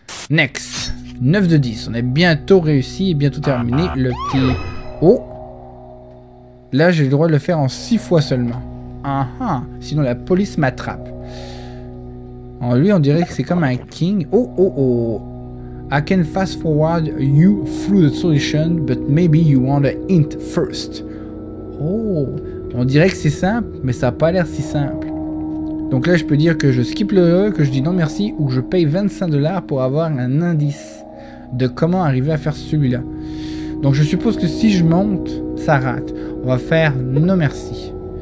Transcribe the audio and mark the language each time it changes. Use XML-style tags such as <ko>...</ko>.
<fr>Next. 9 de 10. On est bientôt réussi et bientôt terminé. Le petit... Oh! Là, j'ai le droit de le faire en 6 fois seulement. Sinon, la police m'attrape. En lui, on dirait que c'est comme un king. Oh, oh, oh!</fr> <en>I can fast forward you through the solution, but maybe you want a hint first.</en> <fr>Oh, on dirait que c'est simple, mais ça n'a pas l'air si simple. Donc là, je peux dire que je skip le E, que je dis non merci, ou que je paye 25$ pour avoir un indice de comment arriver à faire celui-là. Donc je suppose que si je monte, ça rate. On va faire non merci.</fr>